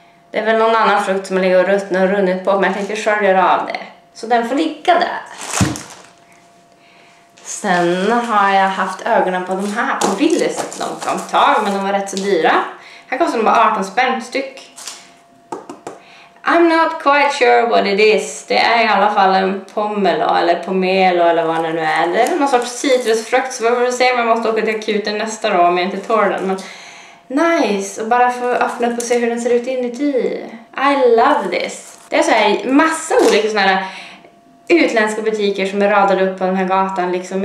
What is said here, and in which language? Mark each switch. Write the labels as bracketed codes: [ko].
[sv] Det är väl någon annan frukt som har legat och ruttnat och runnit på, men jag tänkte själv göra av det. Så den får ligga där. Sen har jag haft ögonen på de här på Willys ett långt tag, men de var rätt så dyra. Här kostar de bara 18 spänn styck. [en] I'm not quite sure what it is. [sv] Det är i alla fall en pomelo eller pomelo eller vad det nu är. Det är någon sorts citrusfrukt, så vi får se om jag måste åka till akuten nästa dag om jag inte tar den. Men nice! Och bara få öppna upp och se hur den ser ut inuti. [en] I love this! [sv] Det är så här massa olika såna här utländska butiker som är radade upp på den här gatan liksom.